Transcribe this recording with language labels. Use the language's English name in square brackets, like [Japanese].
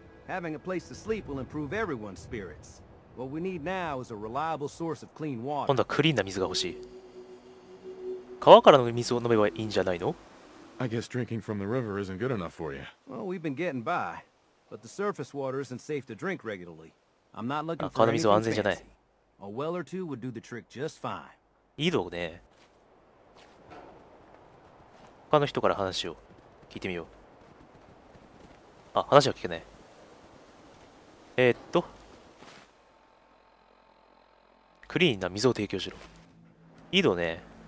[English] Having a place to sleep will improve everyone's spirits. What we need now is a reliable source of clean water. [Japanese] 今度はクリーンな水が欲しい。川からの水を飲めばいいんじゃないの？ [English] I guess drinking from the river isn't good enough for you. Well, we've been getting by, but the surface water isn't safe to drink regularly. I'm not looking for. [Japanese] 川の水は安全じゃない。 [English] A well or two would do the trick just fine. [Japanese] 井戸ね。他の人から話を聞いてみよう。あ、話は聞けない。クリーンな水を提供しろ。井戸ね。